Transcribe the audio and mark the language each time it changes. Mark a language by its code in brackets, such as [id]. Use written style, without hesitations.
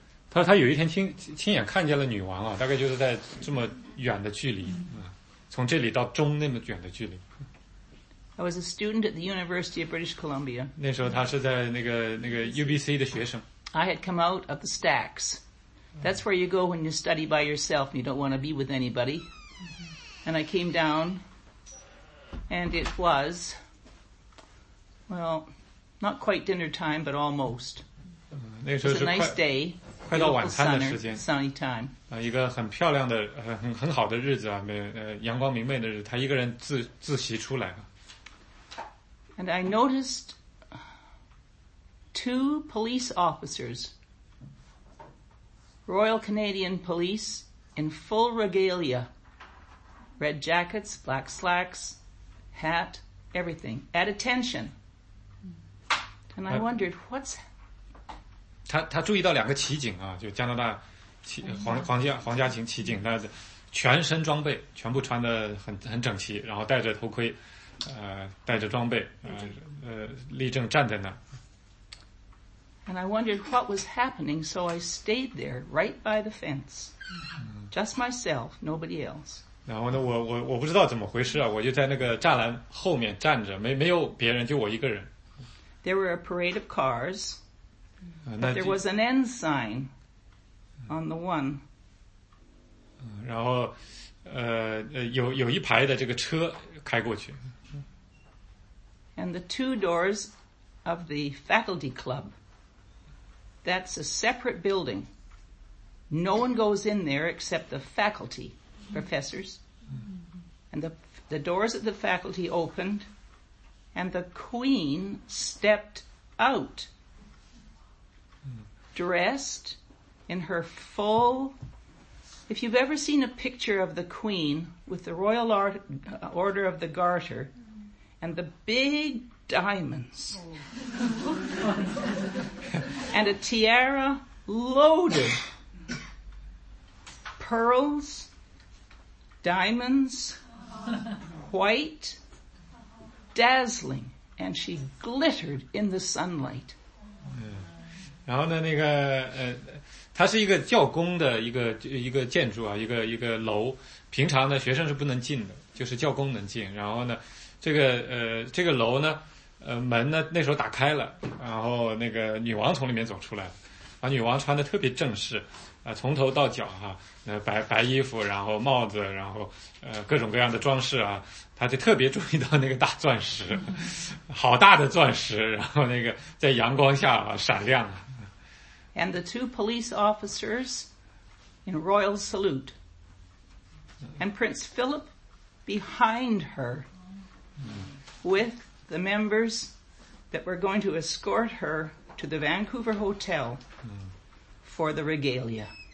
[zh] 他有一天亲眼看见了女王啊，大概就是在这么远的距离，从这里到钟那么远的距离。 [en] I was a student at the University of British Columbia. [zh] 那时候他是在那个 UBC 的学生。 [en] I had come out of the stacks. That's where you go when you study by yourself and you don't want to be with anybody. And I came down and it was, well, not quite dinner time, but almost. [zh] 那时候是 [en] It was a nice day. [zh] 快到晚餐的时间 [en] sunny time、 [zh] 一个很漂亮的 很好的日子、阳光明媚的日子他一个人 自习出来了 [en] And I noticed two police officers Royal Canadian Police in full regalia red jackets, black slacks hat, everything at attention and I wondered what's [zh] 他注意到两个骑警啊，就加拿大皇家警骑警，他全身装备，全部穿得很整齐，然后戴着头盔，戴着装备，立正站在那。 [en] And I wondered what was happening, so I stayed there right by the fence, just myself, nobody else. [zh] 然后呢，我不知道怎么回事啊，我就在那个栅栏后面站着，没有别人，就我一个人。 [en] There were a parade of cars. But there was an end sign on the one. [zh] 然后有一排的这个车开过去。 [en] And the two doors of the faculty club. That's a separate building. No one goes in there except the faculty, professors. And the doors of the faculty opened, and the queen stepped out. Dressed in her full. If you've ever seen a picture of the Queen with the Royal Order of the Garter and the big diamonds and a tiara loaded, pearls, diamonds, white, dazzling, and she glittered in the sunlight. [zh] 然后呢，那个它是一个教工的一个建筑啊，一个楼。平常呢，学生是不能进的，就是教工能进。然后呢，这个楼呢，门呢那时候打开了，然后那个女王从里面走出来了。啊，女王穿的特别正式，从头到脚哈、白衣服，然后帽子，然后各种各样的装饰啊。他就特别注意到那个大钻石，好大的钻石，然后那个在阳光下、闪亮啊。 [en] And the two police officers in royal salute. And Prince Philip behind her with the members that were going to escort her to the Vancouver Hotel for the regalia.